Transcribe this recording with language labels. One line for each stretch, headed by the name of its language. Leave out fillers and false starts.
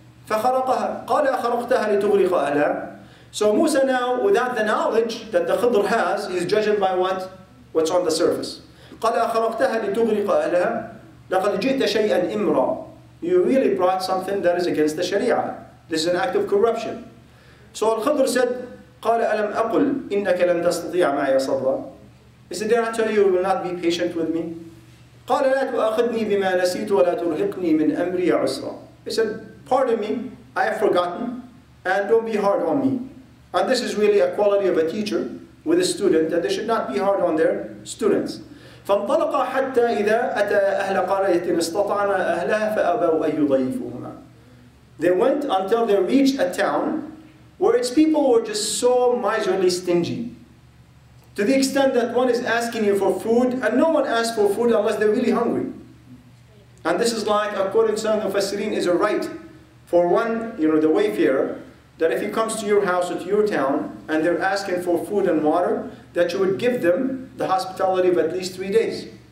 Arabic: فَخَرَقَهَا. قَالَ أَخَرَقْتَهَا لِتُغْرِقَ أَهْلَهَا.
English: So Musa now, without the knowledge that the Khidr has, he's judging by what's on the surface.
Arabic: قَالَ أَخَرَقْتَهَا لِتُغْرِقَ أَهْلَهَا. لَقَدْ جِئْتَ شَيْئًا إِمْرًا.
English: You really brought something that is against the Sharia. This is an act of corruption. So Al-Khidr said,
Arabic: قَالَ أَلَمْ أَقُلْ إِنَّكَ لَمْ تَسْتَطِيعَ مَعَيَ صَبْرًا.
English: He said, did I tell you will not be patient with me?
Arabic: قَالَ لَا تُؤَخِذْنِي بِمَا نَسِيتُ وَلَا تُرْهِقْنِي مِنْ أَمْرِي عُسْرًا.
English: He said, pardon me, I have forgotten, and don't be hard on me. And this is really a quality of a teacher with a student, that they should not be hard on their students.
Arabic: فَانْطَلَقَ حَتَّى إِذَا أَتَى أَهْلَ قَرَيَةٍ اسْتَطَعْنَا أَهْلَهَا فَأَبَوْا أَيُّ ضَيِّفُهُمَا.
English: They went until they reached a town where its people were just so miserly stingy. To the extent that one is asking you for food, and no one asks for food unless they're really hungry. And this is like, according to some of the Mufassirin, is a right for one, you know, the wayfarer, that if he comes to your house or to your town, and they're asking for food and water, that you would give them the hospitality of at least 3 days.